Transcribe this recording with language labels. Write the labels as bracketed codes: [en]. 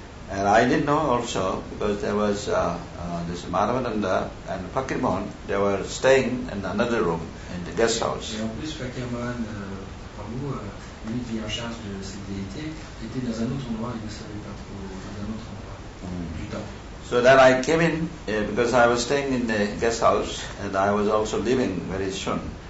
[en] And I didn't know also, because there was this Madhavananda and Fakirmohan, they were staying in another room in the guest house. [fr] Et en plus, Fakirmohan, Prabhu, lui qui est en charge de ces déités, était dans un autre endroit, il ne savait pas trop, dans un autre endroit du temple. [en] So then I came in, because I was staying in the guest house, and I was also leaving very soon.